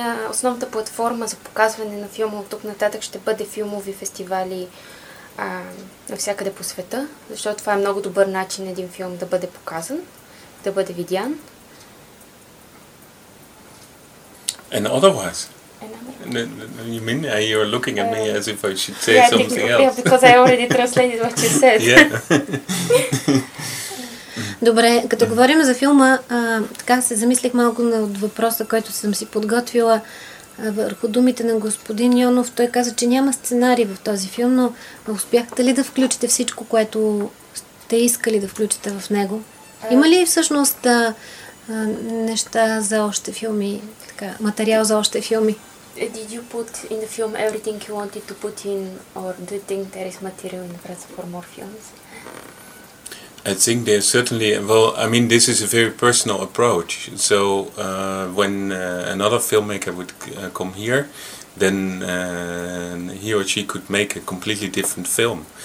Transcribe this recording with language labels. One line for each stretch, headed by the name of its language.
Bulgarian: Основната платформа за показване на филма от тук нататък ще бъде филмови фестивали навсякъде по света, защото това е много добър начин един филм да бъде показан, да бъде видян.
English: And otherwise? You mean you are looking at me as if I should say something else? Yeah, because I already translated what you said.
Bulgarian: Добре, като говорим за филма, така се замислих малко от въпроса, който съм си подготвила върху думите на господин Йонов. Той каза, че няма сценарий в този филм, но успяхте ли да включите всичко, което сте искали да включите в него? Има ли всъщност неща за още филми, така, материал за още филми?
English: Did you put in the film everything you wanted to put in, or do you think there is material in the press for more films? I think there certainly, well, I mean, this is a very personal approach. So when another filmmaker would come here, then he or she could make a completely different film.